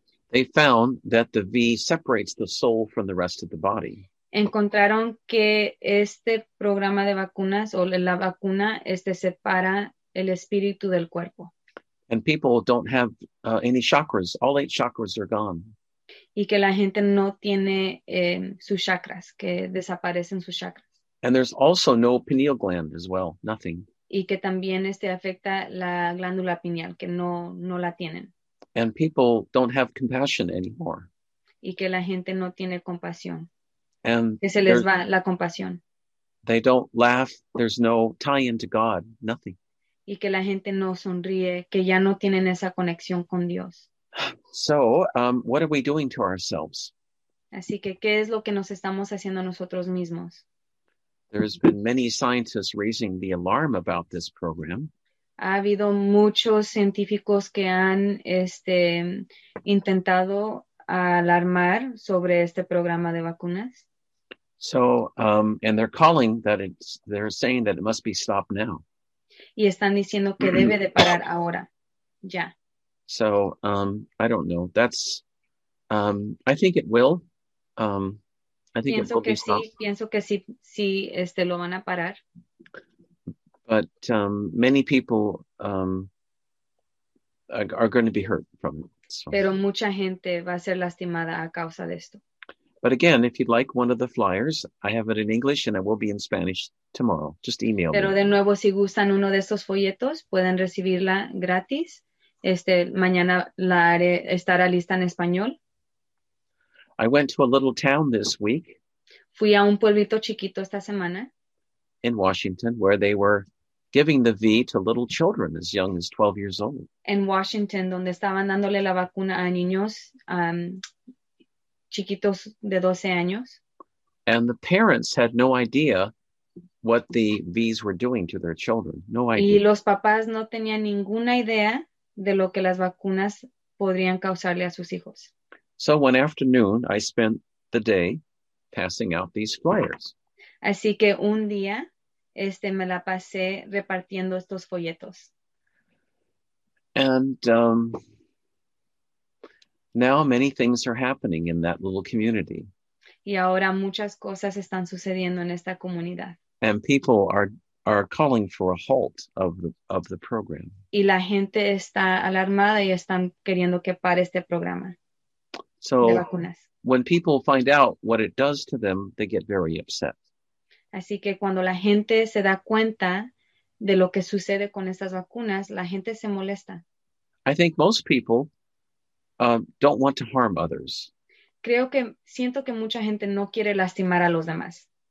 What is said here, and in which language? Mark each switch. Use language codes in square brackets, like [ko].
[en] they found that the V separates the soul from the rest of the body. [es] Encontraron que este programa de vacunas o la vacuna separa el espíritu del cuerpo. [en] And people don't have any chakras. All 8 chakras are gone. [es] Y que la gente no tiene sus chakras, que desaparecen sus chakras. [en] And there's also no pineal gland as well, nothing. [es] Y que también afecta la glándula pineal, que no la tienen. [en] And people don't have compassion anymore. [es] Y que la gente no tiene compasión. [en] And [es] que se les va la compasión. [en] They don't laugh, there's no tie into God, nothing. [es] Y que la gente no sonríe, que ya no tienen esa conexión con Dios. [en] So, what are we doing to ourselves? [es] Así que, ¿qué es lo que nos estamos haciendo nosotros mismos? [en] There's been many scientists raising the alarm about this program. [es] Ha habido muchos científicos que han intentado alarmar sobre este programa de vacunas. [en] So, and they're calling that it's, they're saying that it must be stopped now. [es] Y están diciendo que debe de parar ahora, ya. [en] So, I don't know. That's, I think it will. I think [es] pienso [en] it will [es] que [en] be stopped. [es] Sí, pienso que sí, sí, lo van a parar. [en] But many people are going to be hurt from it. So. [es] Pero mucha gente va a ser lastimada a causa de esto. [en] But again, if you'd like one of the flyers, I have it in English and it will be in Spanish tomorrow. Just email [es] Pero [en] me. [es] Pero de nuevo, si gustan uno de estos folletos, pueden recibirla gratis. Mañana la haré, estará lista en español. [en] I went to a little town this week. [es] Fui a un pueblito chiquito esta semana. [en] In Washington, where they were giving the V to little children as young as 12 years old. [es] En Washington, donde estaban dándole la vacuna a niños chiquitos de 12 años. [en] And the parents had no idea what the Vs were doing to their children. No idea. [es] Y los papás no tenían ninguna idea de lo que las vacunas podrían causarle a sus hijos. [en] So one afternoon, I spent the day passing out these flyers. [es] Así que un día, me la pasé repartiendo estos folletos. [en] And now many things are happening in that little community. [es] Y ahora muchas cosas están sucediendo en esta comunidad. [en] And people are calling for a halt of the program. [es] Y la gente está alarmada y están queriendo que pare este programa. [en] So when people find out what it does to them, they get very upset. [es] Así que cuando la gente se da cuenta de lo que sucede con estas vacunas, la gente se molesta. [en] I think most people don't want to harm others. [es] Siento que mucha gente no quiere lastimar a los demás.